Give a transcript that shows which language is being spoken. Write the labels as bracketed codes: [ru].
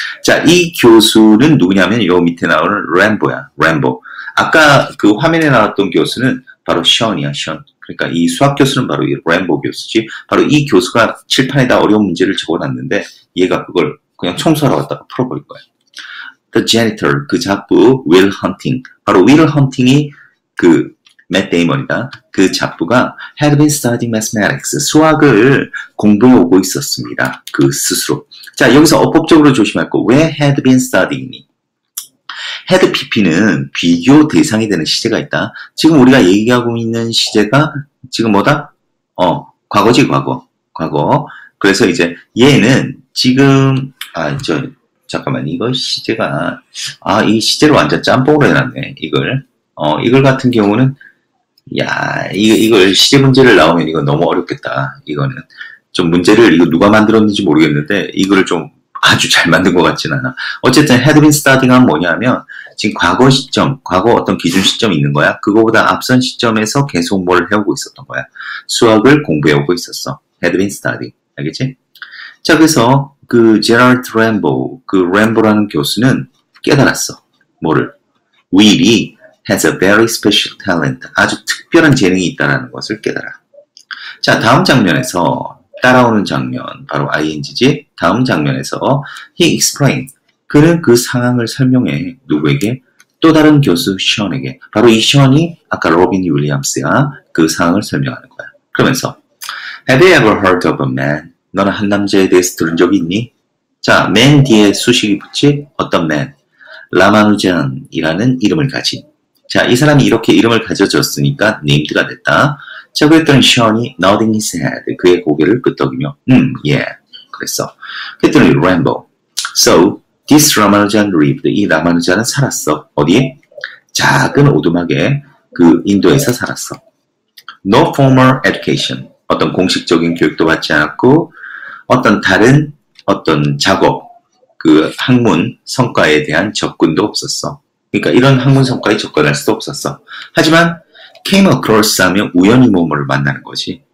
[ko] 자, 이 교수는 누구냐면 요 밑에 나오는 램보야. 램보. 아까 그 화면에 나왔던 교수는 바로 션이야. 션. 그러니까 이 수학 교수는 바로 이 램보 교수지. 바로 이 교수가 칠판에다 어려운 문제를 적어놨는데 얘가 그걸 그냥 청소하러 왔다가 풀어버릴 거야. [en] The janitor, [ko] 그 잡부, Will Hunting. 바로 Will Hunting이 그 Matt Damon이다. 그 잡부가 [en] had been studying mathematics, [ko] 수학을 공부해 오고 있었습니다. 그 스스로. 자, 여기서 어법적으로 조심할 거. 왜 [en] had been studying [ko] 이? had PP는 비교 대상이 되는 시제가 있다. 지금 우리가 얘기하고 있는 시제가 지금 뭐다? 어, 과거지, 과거. 과거. 그래서 이제 얘는 지금, 아, 저, 잠깐만, 이거 시제가, 아, 이 시제를 완전 짬뽕으로 해놨네, 이걸. 어, 이걸 같은 경우는, 야, 이걸 시제 문제를 나오면 이거 너무 어렵겠다, 이거는. 좀 문제를, 이거 누가 만들었는지 모르겠는데, 이거를 좀, 아주 잘 만든 것 같진 않아. 어쨌든 had been studying은 뭐냐면 지금 과거 시점, 과거 어떤 기준 시점이 있는 거야. 그거보다 앞선 시점에서 계속 뭘 해오고 있었던 거야. 수학을 공부해오고 있었어. [en] had been studying. [ko] 알겠지? 자, 그래서 그 Gerald Rambo, 그 Rambo라는 교수는 깨달았어. 뭐를? [en] Will이 has a very special talent. [ko] 아주 특별한 재능이 있다는 것을 깨달아. 자, 다음 장면에서 따라오는 장면, 바로 ING지. 다음 장면에서 [en] He explained. [ko] 그는 그 상황을 설명해. 누구에게? 또 다른 교수 션에게. 바로 이 션이 아까 로빈 윌리엄스가 그 상황을 설명하는 거야. [en] 그러면서 Have you ever heard of a man? [ko] 너는 한 남자에 대해서 들은 적이 있니? 자, man 뒤에 수식이 붙지? 어떤 man? 라마누잔이라는 이름을 가진. 자, 이 사람이 이렇게 이름을 가져줬으니까 named가 됐다. 자, 그랬더니 션이 [en] nodding his head, [ko] 그의 고개를 끄덕이며 [en] yeah, [ko] 그랬어. 그랬더니 Rambo, [en] so this Ramanujan lived, [ko] 이 라마누잔은 살았어. 어디에? 작은 오두막에 그 인도에서 살았어. [en] No formal education, [ko] 어떤 공식적인 교육도 받지 않았고 어떤 다른 어떤 작업, 그 학문 성과에 대한 접근도 없었어. 그러니까 이런 학문 성과에 접근할 수도 없었어. 하지만 [en] came across [ko] 하면 우연히 뭐뭐를 만나는 거지.